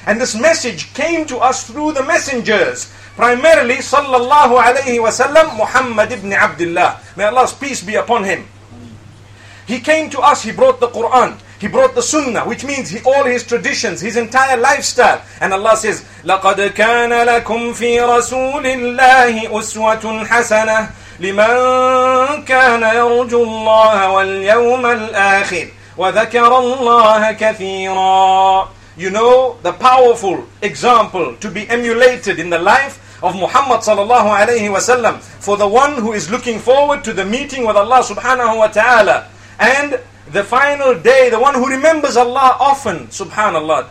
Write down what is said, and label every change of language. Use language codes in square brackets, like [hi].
[en] And this message came to us through the messengers. Primarily, sallallahu alayhi wa sallam, Muhammad ibn Abdullah. May Allah's peace be upon him. He came to us, he brought the Qur'an, he brought the sunnah, which means all his traditions, his entire lifestyle. [ar] And Allah says, لَقَدْ كَانَ لَكُمْ فِي رَسُولِ اللَّهِ أُسْوَةٌ حَسَنَةٌ لِمَنْ كَانَ يَرْجُ اللَّهَ وَالْيَوْمَ الْآخِرِ وَذَكَرَ اللَّهَ كَثِيرًا. [en] You know, the powerful example to be emulated in the life of Muhammad sallallahu alayhi wa sallam for the one who is looking forward to the meeting with Allah subhanahu wa ta'ala. And the final day, the one who remembers Allah often, subhanAllah.